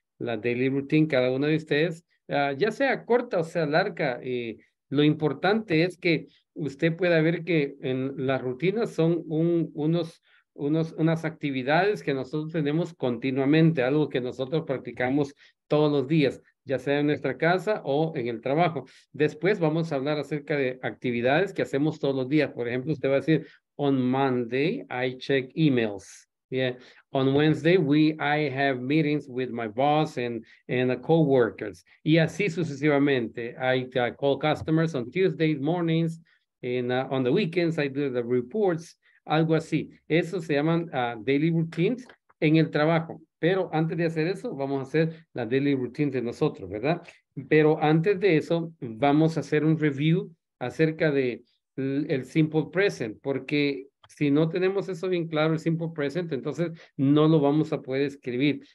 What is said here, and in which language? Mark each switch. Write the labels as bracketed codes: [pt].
[es] La daily routine, cada uno de ustedes, ya sea corta o sea larga, lo importante es que usted pueda ver que en las rutinas son unas actividades que nosotros tenemos continuamente, algo que nosotros practicamos todos los días, ya sea en nuestra casa o en el trabajo. Después vamos a hablar acerca de actividades que hacemos todos los días. Por ejemplo, usted va a decir, [en] on Monday, I check emails. Yeah. On Wednesday, I have meetings with my boss and co-workers. [es] Y así sucesivamente. [en] I call customers on Tuesday mornings. And on the weekends, I do the reports. [es] Algo así. Eso se llaman daily routines en el trabajo. Pero antes de hacer eso, vamos a hacer la daily routine de nosotros, ¿verdad? Pero antes de eso, vamos a hacer un review acerca de el simple present, porque si no tenemos eso bien claro, el simple present, entonces no lo vamos a poder escribir.